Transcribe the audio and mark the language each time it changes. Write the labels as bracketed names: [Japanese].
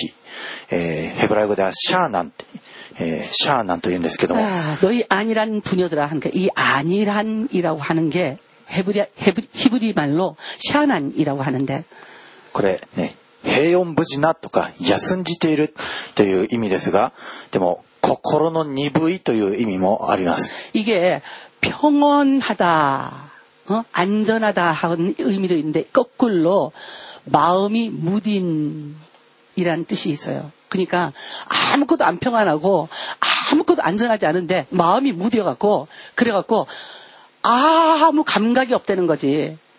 [Japanese] この呑気な女たちよ立ち上がって私の声を聞け旧説があるんですが呑気の女呑気ヘブライ語ではシャーなんて シャーなんて言うんですけども [Korean] 너희 안일한 부녀들아 하니까 이 안일한이라고 하는 게 히브리 말로 샤난이라고 하는데 그래 네. [Japanese] 平穏無事なとか休んじているという意味ですが、でも心の鈍いという意味もあります。 [Korean] 이게 평온하다. 어? 안전하다 하는 의미도 있는데 거꾸로 마음이 무딘 이란 뜻이 있어요. 그러니까 아무것도 안 평안하고 아무것도 안전하지 않은데 마음이 무뎌 갖고 그래 갖고 아무 감각이 없다는 거지.